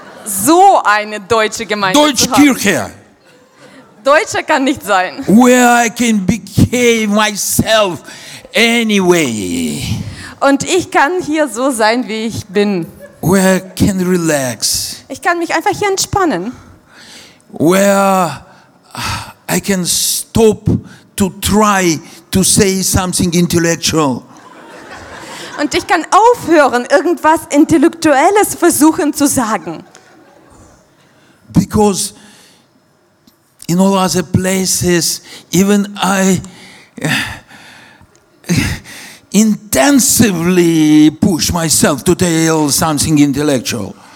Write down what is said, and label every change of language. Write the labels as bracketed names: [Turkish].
[German] So eine deutsche Gemeinde. Deutsche Kirche. Deutscher kann nicht sein. [English] Where I can behave myself anyway. [German] Und ich kann hier so sein, wie ich bin. [English] Where I can relax. [German] Ich kann mich einfach hier entspannen. [English] Where I can stop to try to say something intellectual. [German] Und ich kann aufhören, irgendwas Intellektuelles versuchen zu sagen. [English] Because in all other places, even I intensively push myself to tell something intellectual.